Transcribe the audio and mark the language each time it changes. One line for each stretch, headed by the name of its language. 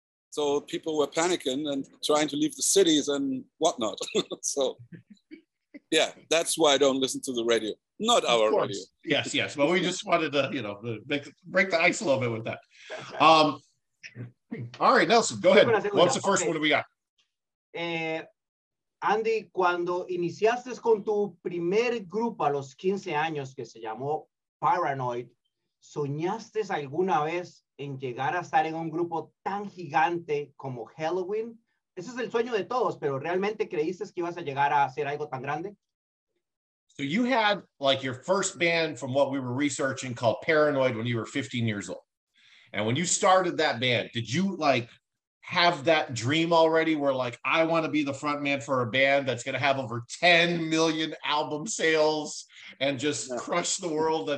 English: So people were panicking and trying to leave the cities and whatnot. So, yeah, that's why I don't listen to the radio. Not of our course. Radio. Yes, yes. But we just wanted to, you know, break the ice a little bit with that. All right, Nelson, go ahead. What's the first one we got?
Spanish: Andy, cuando iniciaste con tu primer grupo a los 15 años, que se llamó Paranoid, ¿soñaste alguna vez en llegar a estar en un grupo tan gigante como Helloween? Ese es el sueño de todos, pero ¿realmente creíste que ibas a llegar a hacer algo tan grande?
English: So you had like your first band from what we were researching called Paranoid when you were 15 years old. And when you started that band, did you like have that dream already where like, I want to be the front man for a band that's going to have over 10 million album sales and just crush the world?